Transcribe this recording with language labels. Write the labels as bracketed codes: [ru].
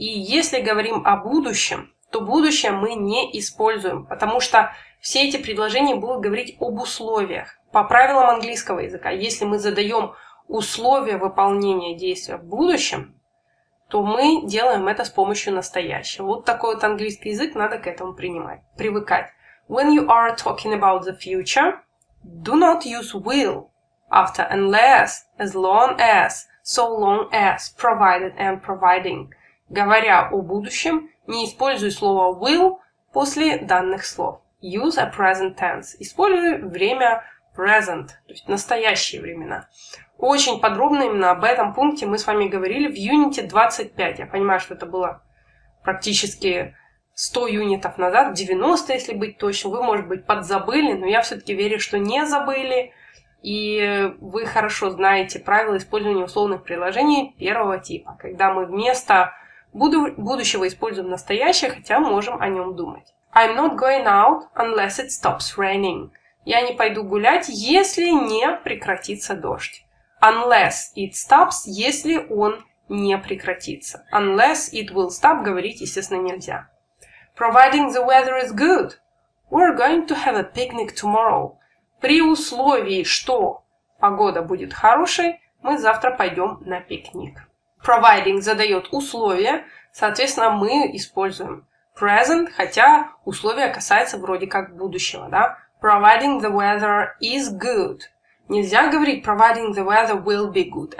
[ru] И если говорим о будущем, то будущее мы не используем, потому что все эти предложения будут говорить об условиях. По правилам английского языка, если мы задаем условия выполнения действия в будущем, то мы делаем это с помощью настоящего. Вот такой вот английский язык, надо к этому принимать, привыкать. [en] When you are talking about the future, do not use will after unless, as long as, so long as, provided and providing. [ru] Говоря о будущем, не используй слово will после данных слов. [en] Use a present tense. [ru] Используй время present, то есть настоящие времена. Очень подробно именно об этом пункте мы с вами говорили в юните 25. Я понимаю, что это было практически 100 юнитов назад, 90, если быть точным. Вы, может быть, подзабыли, но я все-таки верю, что не забыли. И вы хорошо знаете правила использования условных предложений первого типа, когда мы вместо будущего используем настоящее, хотя можем о нем думать. [en] I'm not going out unless it stops raining. [ru] Я не пойду гулять, если не прекратится дождь. [en] Unless it stops, [ru] если он не прекратится. [en] Unless it will stop, [ru] говорить, естественно, нельзя. [en] Providing the weather is good, we're going to have a picnic tomorrow. [ru] При условии, что погода будет хорошей, мы завтра пойдем на пикник. Providing задает условия, соответственно, мы используем present, хотя условие касается вроде как будущего, да? [en] Providing the weather is good. [ru] Нельзя говорить [en] providing the weather will be good.